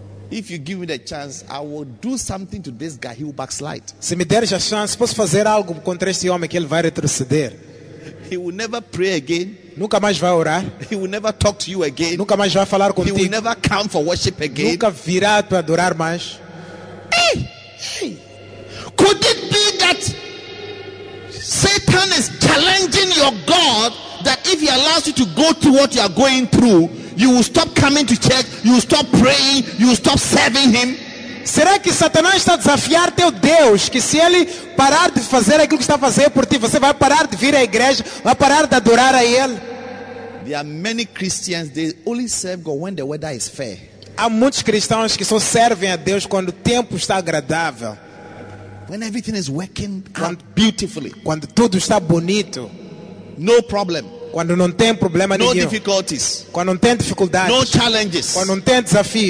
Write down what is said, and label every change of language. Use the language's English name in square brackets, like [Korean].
[English] If you give me the chance, I will do something to this guy. He will backslide." [Portuguese] Se me deres a chance, posso fazer algo contra este homem que ele vai retroceder. [English] He will never pray again. [Portuguese] Nunca mais vai orar. [English] He will never talk to you again. [Portuguese] Nunca mais vai falar contigo. [English] He will never come for worship again. [Portuguese] Nunca virá para adorar mais. [English] Hey, hey. Could it be that Satan is challenging your God? That if he allows you to go through what you are going through, you will stop coming to church, you will stop praying, you will stop serving him. [Portuguese] Será que Satanás está a desafiar teu Deus? Que se ele parar de fazer aquilo que está a fazer por ti, você vai parar de vir à igreja, vai parar de adorar a ele? [English] There are many Christians, they only serve God when the weather is fair. [Portuguese] Há muitos cristãos que só servem a Deus quando o tempo está agradável. [English] When everything is working out beautifully. [Portuguese] Quando tudo está bonito. [English] No problem. [Portuguese] Quando não tem problema nenhum. [English] No difficulties. [Portuguese] Quando não tem dificuldades. [English] No challenges. [Portuguese] Quando não tem desafios.